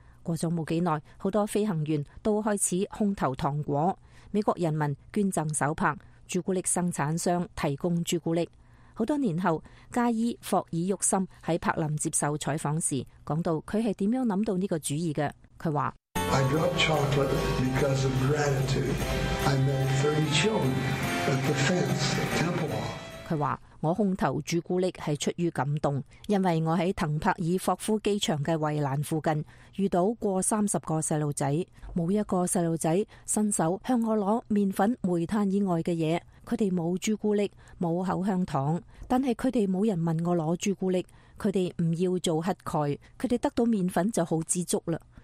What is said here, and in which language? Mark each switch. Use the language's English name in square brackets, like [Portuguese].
[Chinese] 过了没几耐，很多飞行员都开始空投糖果，美国人民捐赠手拍，朱古力生产商提供朱古力。很多年后，加伊·霍尔沃森在柏林接受采访时讲到他是怎样想到这个主意的。他说， [English] I dropped chocolate because of gratitude. I met 30 children at the fence at Temple Hall. [Chinese] 他说，我空投朱古力是出于感动，因为我在滕帕尔霍夫机场的卫兰附近遇到过30个小孩，没一个小孩伸手向我拿面粉、煤炭以外的东西。他们没有朱古力，没有口香糖，但是他们没有人问我拿朱古力，他们不要做乞丐，他们得到面粉就很知足了。